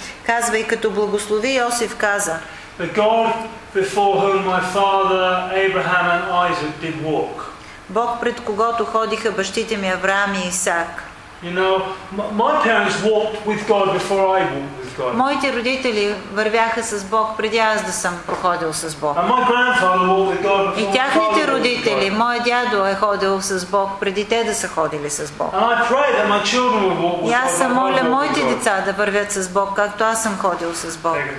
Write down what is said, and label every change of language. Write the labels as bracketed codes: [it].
[bg] казва и като благослови Йосиф, каза, [en] the God before whom my father Abraham and Isaac did walk. [bg] Бог, пред когото ходиха бащите ми Авраам и Исак. [en] You know, my parents walked with God before I walked with God. [bg] Моите родители вървяха с Бог преди аз да съм проходил с Бог. [en] And my grandfather walked with God before my father. [bg] И тяхните родители, моя дядо е ходил с Бог преди те да са ходили с Бог. [en] And I pray that my children will walk with God. [bg] И аз моля моите деца да вървят с Бог, както аз съм ходил с Бог.